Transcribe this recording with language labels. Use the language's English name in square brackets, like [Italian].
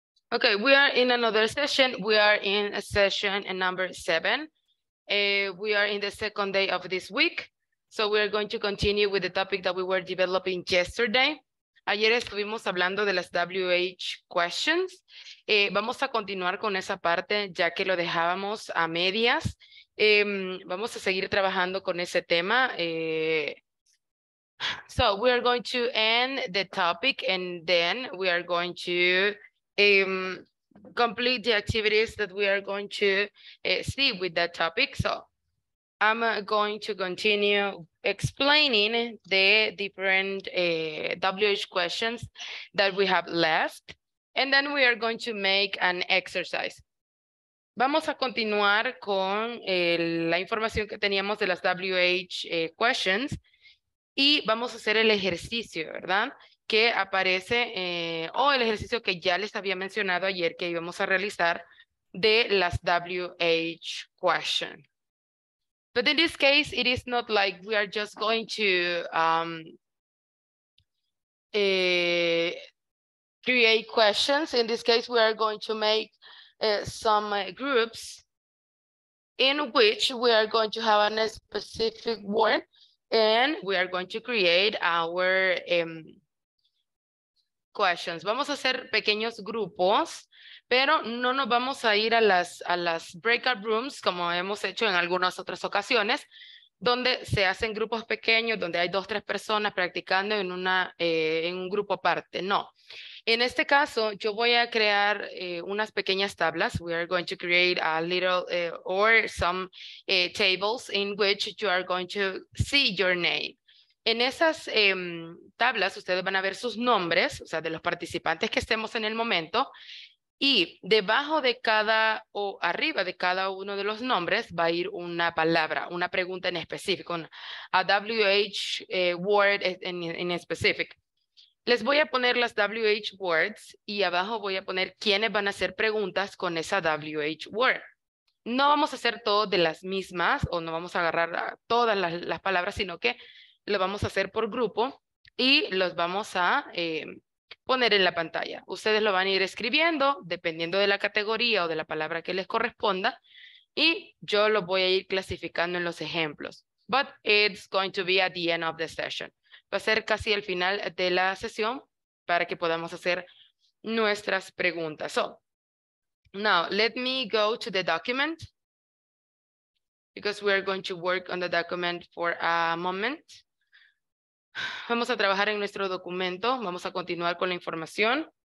[English] Okay, we are in another session. We are in session number 7. We are in the second day of this week. So we are going to continue with the topic that we were developing yesterday. [Spanish] Ayer estuvimos hablando de las WH questions. Vamos a continuar con esa parte ya que lo dejábamos a medias. Vamos a seguir trabajando con ese tema. [English] So we are going to end the topic and then we are going to complete the activities that we are going to see with that topic. So I'm going to continue explaining the different WH questions that we have left. And then we are going to make an exercise. [Spanish] Vamos a continuar con la información que teníamos de las WH questions y vamos a hacer el ejercicio, ¿verdad? Que aparece, el ejercicio que ya les había mencionado ayer que íbamos a realizar de las WH questions. [English] But in this case, it is not like we are just going to create questions. In this case, we are going to make some groups in which we are going to have a specific word and we are going to create our questions. [Spanish] Vamos a hacer pequeños grupos, pero no nos vamos a ir a las breakout rooms como hemos hecho en algunas otras ocasiones, donde se hacen grupos pequeños, donde hay dos, tres personas practicando en un grupo aparte. No. En este caso, yo voy a crear unas pequeñas tablas. [English] We are going to create a little or some tables in which you are going to see your name. [Spanish] En esas tablas, ustedes van a ver sus nombres, o sea, de los participantes que estemos en el momento, y debajo de cada o arriba de cada uno de los nombres va a ir una palabra, una pregunta en específico, [English] a WH word [Spanish] en específico. Les voy a poner las WH words y abajo voy a poner quiénes van a hacer preguntas con esa WH word. No vamos a hacer todo de las mismas o no vamos a agarrar a todas las palabras, sino que lo vamos a hacer por grupo y los vamos a poner en la pantalla. Ustedes lo van a ir escribiendo dependiendo de la categoría o de la palabra que les corresponda y yo lo voy a ir clasificando en los ejemplos. [English] But it's going to be at the end of the session. [Spanish] Va a ser casi el final de la sesión para que podamos hacer nuestras preguntas. [English] So, now let me go to the document because we are going to work on the document for a moment. [Spanish] Vamos a trabajar en nuestro documento. Vamos a continuar con la información.